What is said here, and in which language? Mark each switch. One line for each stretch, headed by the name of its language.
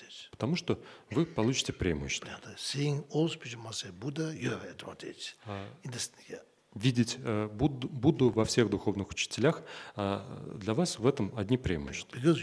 Russian: Потому что вы получите преимущество.
English: Seeing all spiritual masters Buddha, you have advantage.
Russian: Видеть Будду во всех духовных учителях, для вас в этом одни преимущества.